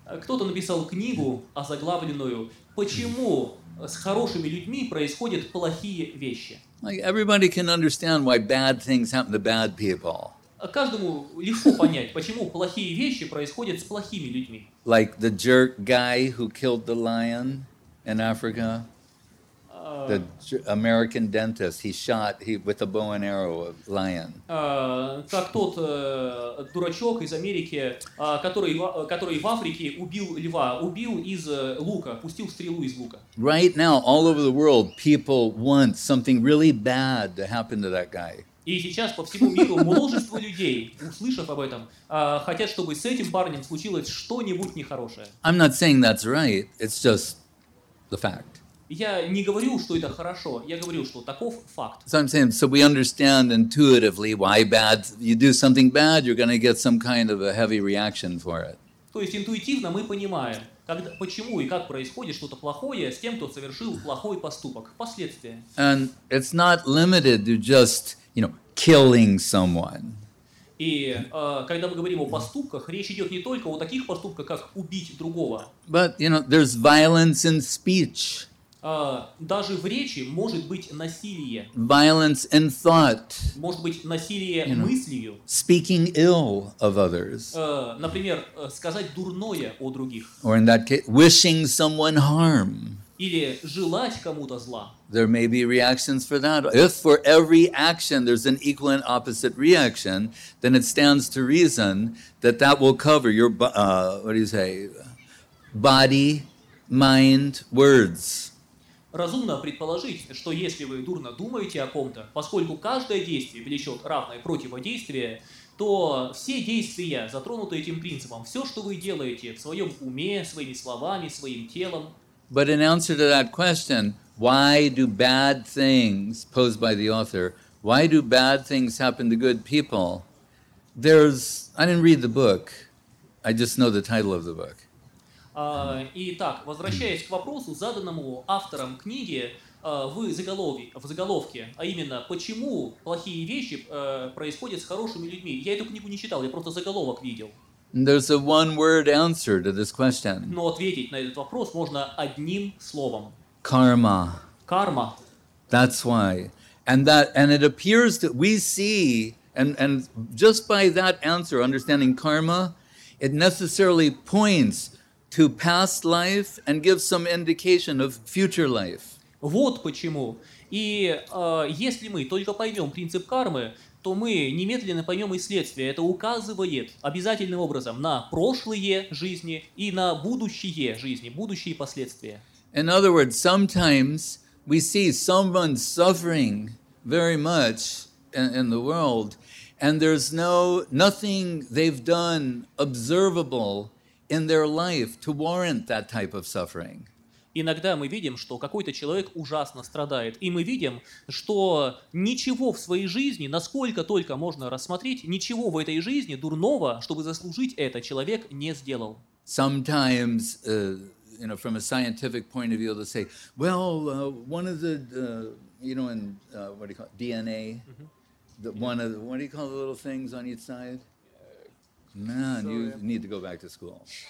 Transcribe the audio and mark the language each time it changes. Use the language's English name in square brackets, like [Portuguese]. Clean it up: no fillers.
[Russian] Кто-то написал книгу, озаглавленную «Почему с хорошими людьми происходят плохие вещи?» [English] Like everybody can understand why bad things happen to bad people. [Russian] Каждому легко понять, почему плохие вещи происходят с плохими людьми. [English] Like the jerk guy who killed the lion in Africa. The American dentist, he shot with a bow and arrow a lion. [Russian] Как тот дурачок из Америки, который в Африке убил льва, убил из лука, пустил стрелу из лука. [English] Right now, all over the world, people want something really bad to happen to that guy. [Russian] И сейчас по всему миру множество людей, услышав об этом, хотят, чтобы с этим парнем случилось что-нибудь нехорошее. [English] I'm not saying that's right, it's just the fact. [Russian] Я не говорю, что это хорошо. Я говорю, что таков факт. [English] So I'm saying, so we understand intuitively why bad. You do something bad, you're going to get some kind of a heavy reaction for it. [Russian] То есть интуитивно мы понимаем, когда, почему и как происходит что-то плохое с тем, кто совершил плохой поступок, последствия. [English] And it's not limited to just, you know, killing someone. [Russian] И когда мы говорим о поступках, речь идет не только о таких поступках, как убить другого. [English] But, you know, there's violence in speech. [Russian] Даже в речи может быть насилие. [English] Violence in thought. [Russian] Может быть насилие мыслью. [English] Speaking ill of others. [Russian] Например, сказать дурное о других. [English] Or in that case, wishing someone harm. [Russian] Или желать кому-то зла. [English] There may be reactions for that. If for every action there's an equal and opposite reaction, then it stands to reason that that will cover your body, mind, words. [Russian] Разумно предположить, что если вы дурно думаете о ком-то, поскольку каждое действие влечет равное противодействие, то все действия затронуты этим принципом. Все, что вы делаете в своем уме, своими словами, своим телом. [English] But in answer to that question, why do bad things posed by the author, why do bad things happen to good people? I didn't read the book. I just know the title of the book. [Russian] Итак, возвращаясь к вопросу, заданному автором книги в заголовке, а именно, почему плохие вещи происходят с хорошими людьми. Я эту книгу не читал, я просто заголовок видел. [English] There's a one-word answer to this question. [Russian] Но ответить на этот вопрос можно одним словом. [English] Karma. Karma. That's why. And it appears that we see, and just by that answer, understanding karma, it necessarily points to past life and give some indication of future life. [Russian] Вот почему. И если мы только поймем принцип кармы, то мы немедленно поймем и следствие. Это указывает обязательным образом на прошлые жизни и на будущие жизни, будущие последствия. [English] In other words, sometimes we see someone suffering very much in the world, and there's nothing they've done observable in their life to warrant that type of suffering. [Russian] Иногда мы видим, что какой-то человек ужасно страдает, и мы видим, что ничего в своей жизни, насколько только можно рассмотреть, ничего в этой жизни дурного, чтобы заслужить это, человек не сделал. [English] Sometimes, you know, from a scientific point of view, they'll say, well, one of the, you know, in, what do you call it, DNA, the one of the, what do you call the little things on each side? Man, you need to go back to school.